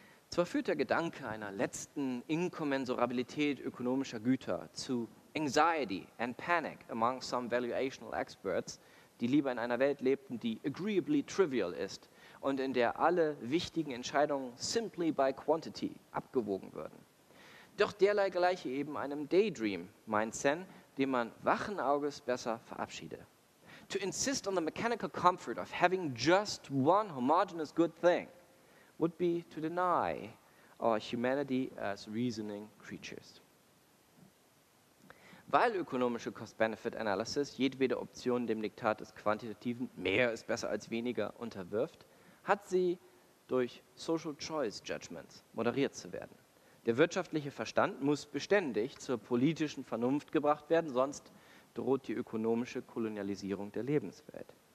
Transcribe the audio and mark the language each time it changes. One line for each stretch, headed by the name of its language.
German: Zwar führt der Gedanke einer letzten Inkommensurabilität ökonomischer Güter zu
English: Anxiety and Panic among some valuational experts,
German: die lieber in einer Welt lebten, die
English: agreeably trivial
German: ist und in der alle wichtigen Entscheidungen
English: simply by quantity
German: abgewogen würden. Doch derlei gleiche eben einem Daydream, meint Sen, dem man wachen Auges besser verabschiede.
English: To insist on the mechanical comfort of having just one homogeneous good thing would be to deny our humanity as reasoning creatures.
German: Weil ökonomische Cost-Benefit-Analysis jedwede Option dem Diktat des Quantitativen mehr ist besser als weniger unterwirft, hat sie durch Social Choice Judgments moderiert zu werden. Der wirtschaftliche Verstand muss beständig zur politischen Vernunft gebracht werden, sonst droht die ökonomische Kolonialisierung der Lebenswelt.